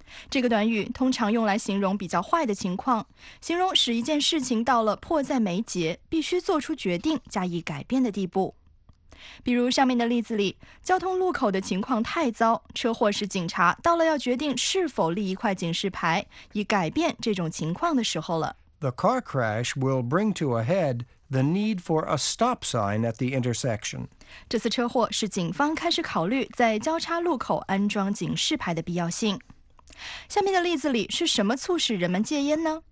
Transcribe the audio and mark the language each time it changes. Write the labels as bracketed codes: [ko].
[zh] 这个短语通常用来形容比较坏的情况，形容使一件事情到了迫在眉睫，必须做出决定加以改变的地步。比如上面的例子里，交通路口的情况太糟，车祸使警察到了要决定是否立一块警示牌以改变这种情况的时候了。 [en] The car crash will bring to a head the need for a stop sign at the intersection. [zh] 这次车祸使警方开始考虑在交叉路口安装警示牌的必要性。下面的例子里是什么促使人们戒烟呢？